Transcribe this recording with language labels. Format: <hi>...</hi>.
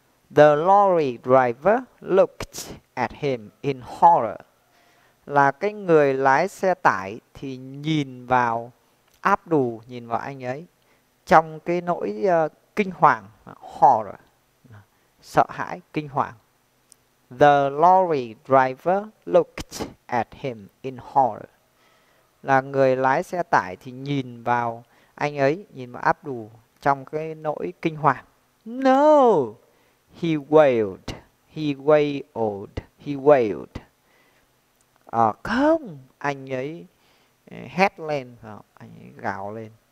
<en>The lorry driver looked at him in horror.</en> <vi>Là cái người lái xe tải thì nhìn vào áp đù, nhìn vào anh ấy trong cái nỗi kinh hoàng,</vi> <en>horror,</en> <vi>sợ hãi, kinh hoàng.</vi> <en>The lorry driver looked at him in horror.</en> <vi>Là người lái xe tải thì nhìn vào anh ấy, nhìn vào áp đù trong cái nỗi kinh hoàng.</vi> <en>No, he wailed.</en> <vi>Không, anh ấy hét lên, anh ấy gào lên.</vi>